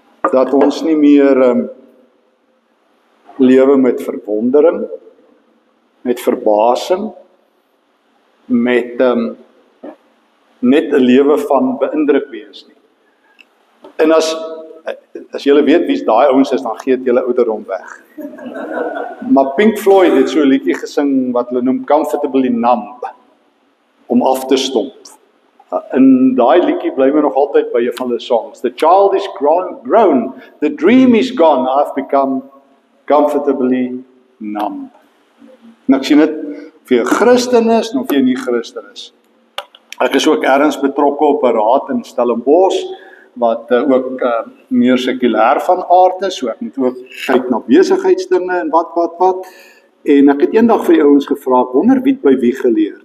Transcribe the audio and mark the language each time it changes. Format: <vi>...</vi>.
<af>Dat ons nie meer lewe met verwondering, met verbasing, met net 'n lewe van beïndruk wees nie. En as julle weet wie's daai ouens is, dan gee dit julle ouderdom weg. Maar Pink Floyd het so 'n liedjie gesing wat hulle noem Comfortably Numb, om af te stomp. In daai liedjie bly my nog altyd by een van hulle songs.</af> <en>The child is grown, the dream is gone, I've become comfortably numb.</en> <af>En ek sien dit, of jy 'n Christen is, of jy nie Christen is. Ek is ook ergens betrokke op 'n raad in Stellenbosch, wat ook meer sekulêr van aard is, so ek moet ook kyk na besigheidsdinge en wat. En ek het eendag vir die ouens gevra, wonder wie by wie geleer?</af>